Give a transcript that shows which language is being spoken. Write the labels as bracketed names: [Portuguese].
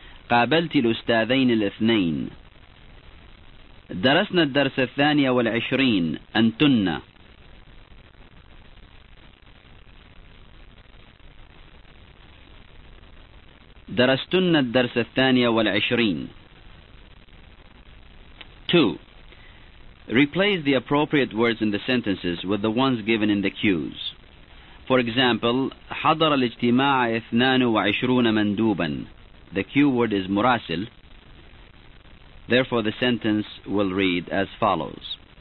[Arabic] قابلت الأستاذين الاثنين. درسنا الدرس الثاني والعشرين. أنتن. درستن الدرس الثاني والعشرين. [English] 2. Replace the appropriate words in the sentences with the ones given in the cues. For example, [Arabic] حضر الاجتماع 22 مندوبا. [English] The cue word is مراسل. Therefore, the sentence will read as follows.